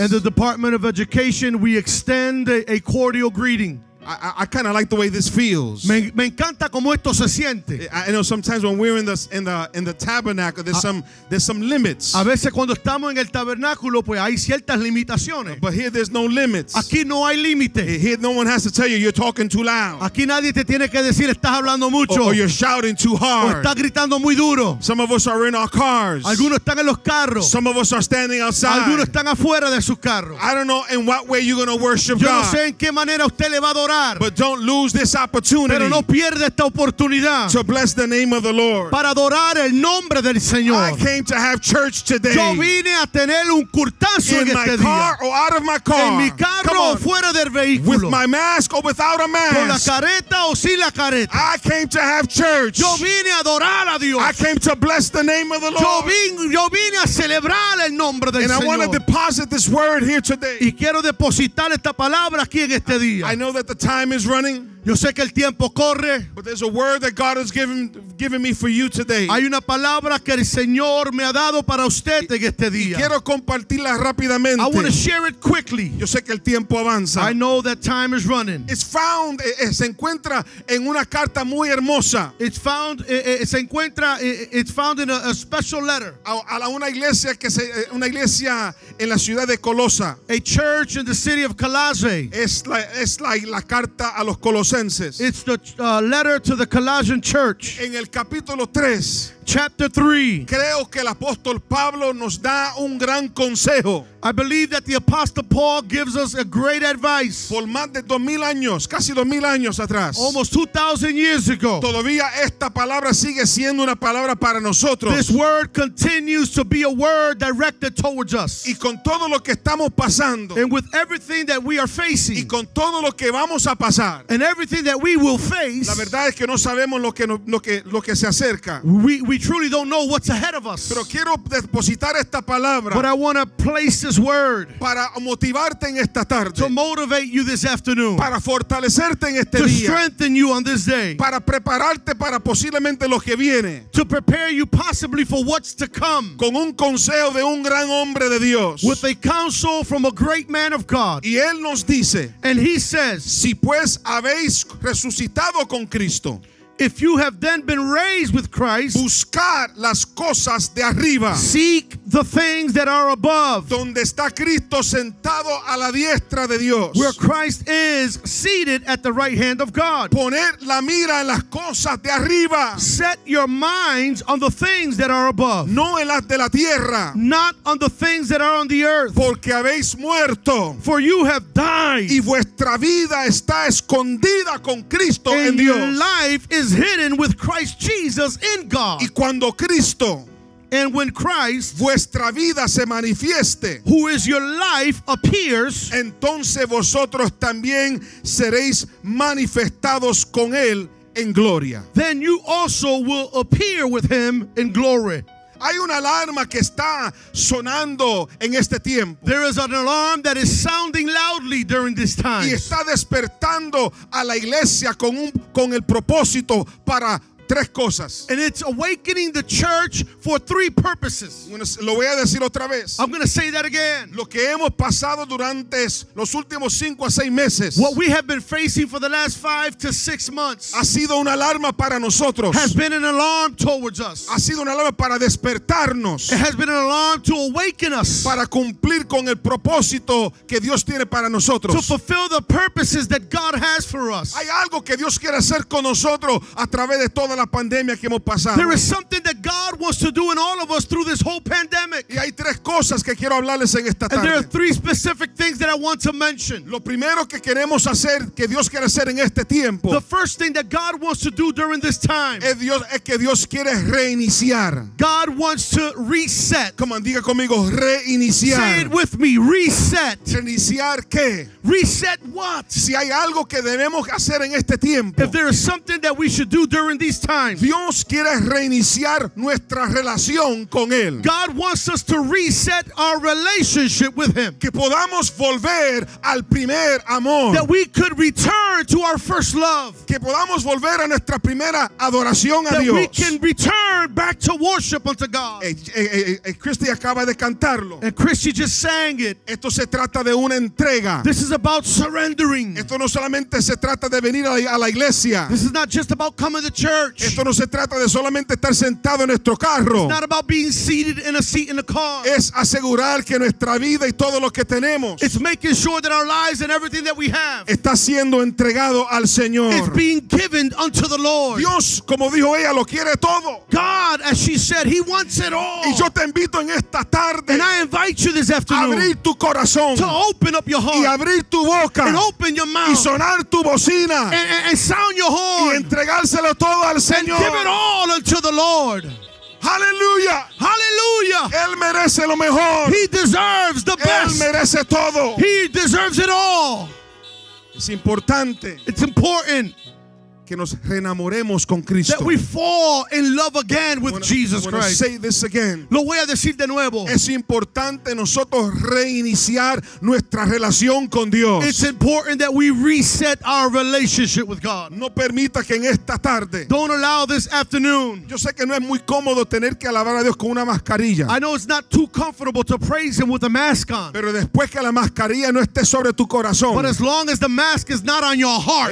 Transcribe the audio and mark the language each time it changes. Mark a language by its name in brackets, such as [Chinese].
[English] And the Department of Education, we extend a cordial greeting. I kind of like the way this feels. [Spanish] Me encanta cómo esto se siente. [English] I know sometimes when we're in the tabernacle, there's some limits. [Spanish] A veces cuando estamos en el tabernáculo, pues hay ciertas limitaciones. [English] But here there's no limits. [Spanish] Aquí no hay límite. [English] Here no one has to tell you you're talking too loud. [Spanish] Aquí nadie te tiene que decir estás hablando mucho. [English] Or you're shouting too hard. [Spanish] O estás gritando muy duro. [English] Some of us are in our cars. [Spanish] Algunos están en los carros. [English] Some of us are standing outside. [Spanish] Algunos están afuera de sus carros. [English] I don't know in what way you're going to worship God. [Spanish] Yo no sé en qué manera usted le va a adorar. [English] But don't lose this opportunity. [Spanish] Pero no pierde esta oportunidad. [English] To bless the name of the Lord. [Spanish] Para adorar el nombre del Señor. [English] I came to have church today. [Spanish] Yo vine a tener un curtazo en este día. [English] In my car or out of my car. [Spanish] En mi carro o fuera del vehículo. [English] With my mask or without a mask. [Spanish] Con la careta o sin la careta. [English] I came to have church. [Spanish] Yo vine a adorar a Dios. [English] I came to bless the name of the Lord. [Spanish] Yo vine a celebrar el nombre del Señor. [English] And I want to deposit this word here today. [Spanish] Y quiero depositar esta palabra aquí en este día. [English] I know that the time is running. [Spanish] Yo sé que el tiempo corre. [English] But there's a word that God has given me for you today. [Spanish] Hay una palabra que el Señor me ha dado para usted en este día. Y quiero compartirla rápidamente. [English] I want to share it quickly. [Spanish] Yo sé que el tiempo avanza. [English] I know that time is running. It's found, [Spanish] se encuentra en una carta muy hermosa. [English] It's found in a special letter. [Spanish] A una iglesia una iglesia en la ciudad de Colosa. [English] A church in the city of Colossae. [Spanish] Es la carta a los Colosenses. [English] It's the letter to the Colossian church. [Spanish] En el capítulo 3, [English] chapter 3, [Spanish] creo que el apóstol Pablo nos da un gran consejo. [English] I believe that the apostle Paul gives us a great advice. [Spanish] Por más de 2000 años, casi 2000 años atrás. [English] Almost 2000 years ago. [Spanish] Todavía esta palabra sigue siendo una palabra para nosotros. [English] This word continues to be a word directed towards us. [Spanish] Y con todo lo que estamos pasando. [English] And with everything that we are facing. [Spanish] Y con todo lo que vamos a pasar. [English] And everything that we will face. [Spanish] La verdad es que no sabemos lo que se acerca. [English] We truly don't know what's ahead of us. [Spanish] Pero quiero depositar esta palabra. [English] But I want to place this word [Spanish] para motivarte en esta tarde, [English] to motivate you this afternoon, [Spanish] para fortalecerte en este [English] to [Spanish] día, [English] strengthen you on this day, [Spanish] para prepararte para posiblemente lo que viene, [English] to prepare you possibly for what's to come, [Spanish] con un consejo de un gran hombre de Dios, [English] with a counsel from a great man of God. [Spanish] Y él nos dice, [English] and he says, [Spanish] si pues habéis resucitado con Cristo, [English] if you have then been raised with Christ, [Spanish] buscar las cosas de arriba, [English] seek the things that are above, [Spanish] donde está Cristo sentado a la diestra de Dios, [English] where Christ is seated at the right hand of God. [Spanish] Poner la mira en las cosas de arriba. [English] Set your minds on the things that are above, [Spanish] no en las de la tierra, [English] not on the things that are on the earth, [Spanish] porque habéis muerto, [English] for you have died, [Spanish] y vuestra vida está escondida con Cristo en Dios. [English] Your life is hidden with Christ Jesus in God. [Spanish] Y cuando Cristo, [English] and when Christ, [Spanish] vuestra vida se manifieste, [English] who is your life, appears, [Spanish] entonces vosotros también seréis manifestados con él en gloria. [English] Then you also will appear with him in glory. [Spanish] Hay una alarma que está sonando en este tiempo. [English] There is an alarm that is sounding loudly during this time. [Spanish] Y está despertando a la iglesia con el propósito para tres cosas. [English] And it's awakening the church for three purposes. [Spanish] Lo voy a decir otra vez. [English] I'm going to say that again. [Spanish] Lo que hemos pasado durante los últimos 5 a 6 meses. [English] What we have been facing for the last 5 to 6 months. [Spanish] Ha sido una alarma para nosotros. [English] Has been an alarm towards us. [Spanish] Ha sido una alarma para despertarnos. [English] It has been an alarm to awaken us. [Spanish] Para cumplir con el propósito que Dios tiene para nosotros. [English] To fulfill the purposes that God has for us. [Spanish] Hay algo que Dios quiere hacer con nosotros a través de toda la pandemia que hemos pasado. [English] There is something that God wants to do in all of us through this whole pandemic. [Spanish] Y hay tres cosas que quiero hablarles en esta tarde. [English] And there are three specific things that I want to mention. [Spanish] Lo primero que queremos hacer, que Dios quiere hacer en este tiempo, [English] the first thing that God wants to do during this time, [Spanish] es que Dios quiere reiniciar. [English] God wants to reset. Come on, [Spanish] diga conmigo, reiniciar. [English] Say it with me, reset. [Spanish] ¿Reiniciar qué? [English] Reset what? [Spanish] Si hay algo que debemos hacer en este tiempo, [English] if there is something that we should do during this time, time. [Spanish] Dios quiere reiniciar nuestra relación con él. [English] God wants us to reset our relationship with him. [Spanish] Que podamos volver al primer amor. [English] That we could return to our first love. [Spanish] Que podamos volver a nuestra primera adoración a Dios. [English] That we can return back to worship unto God. [Spanish] Christy acaba de cantarlo. [English] And Christy just sang it. [Spanish] Esto se trata de una entrega. [English] This is about surrendering. [Spanish] Esto no solamente se trata de venir a la iglesia. [English] This is not just about coming to church. [Spanish] Esto no se trata de solamente estar sentado en nuestro carro. [English] It's not about being seated in a seat in a car. [Spanish] Es asegurar que nuestra vida y todo lo que tenemos. [English] It's making sure that our lives and everything that we have. [Spanish] Está siendo entregado al Señor. [English] It's being given unto the Lord. [Spanish] Dios, como dijo ella, lo quiere todo. [English] God, as she said, he wants it all. [Spanish] Y yo te invito en esta tarde. [English] And I invite you this afternoon. [Spanish] Abrir tu corazón. [English] To open up your heart. [Spanish] Y abrir tu boca. [English] And open your mouth. [Spanish] Y sonar tu bocina. [English] And sound your horn. [Spanish] Y entregárselo todo al Señor. [English] And give it all unto the Lord. Hallelujah. Hallelujah. [Spanish] Él merece lo mejor. [English] He deserves the best. [Spanish] Él merece todo. [English] He deserves it all. [Spanish] Es importante. [English] It's important. [Spanish] Que nos reenamoremos con Cristo. [English] That we fall in love again with Jesus Christ. Say this again. [Spanish] Lo voy a decir de nuevo. Es importante nosotros reiniciar nuestra relación con Dios. [English] It's important that we reset our relationship with God. [Spanish] No permita que en esta tarde. [English] Don't allow this afternoon. [Spanish] Yo sé que no es muy cómodo tener que alabar a Dios con una mascarilla. [English] I know it's not too comfortable to praise him with a mask on. [Spanish] Pero después que la mascarilla no esté sobre tu corazón. [English] But as long as the mask is not on your heart.